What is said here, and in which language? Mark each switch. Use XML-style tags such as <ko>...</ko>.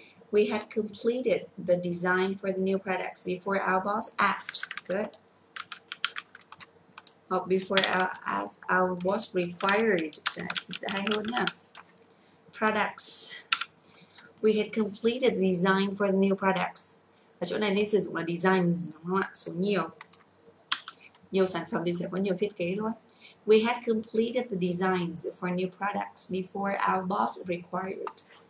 <en>We had completed the design for the new products before our boss asked. Good. Or before our boss required.</en> <vi>Hay hơn nha.</vi> <en>Products. We had completed the design for the new products.</en> <vi>Ở chỗ này nên sử dụng là designs, đúng không ạ? Số nhiều. Nhiều sản phẩm thì sẽ có nhiều thiết kế thôi.</vi> <en>We had completed the designs for new products before our boss required.</en>